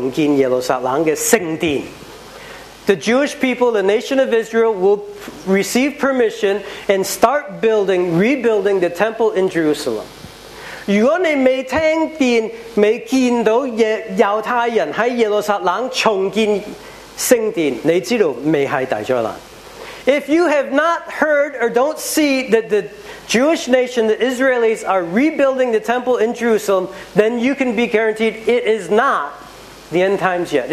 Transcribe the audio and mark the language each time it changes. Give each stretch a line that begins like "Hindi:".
Chinese: 以色列人一定会在耶路撒冷有批准重建耶路撒冷的圣殿。
English: The Jewish people, the nation of Israel, will receive permission and start building, rebuilding the temple in Jerusalem.
Chinese: 如果你没听见，没见到犹太人在耶路撒冷重建
English: If you have not heard or don't see that the Jewish nation, the Israelis, are rebuilding the temple in Jerusalem, then you can be guaranteed it is not the end times yet.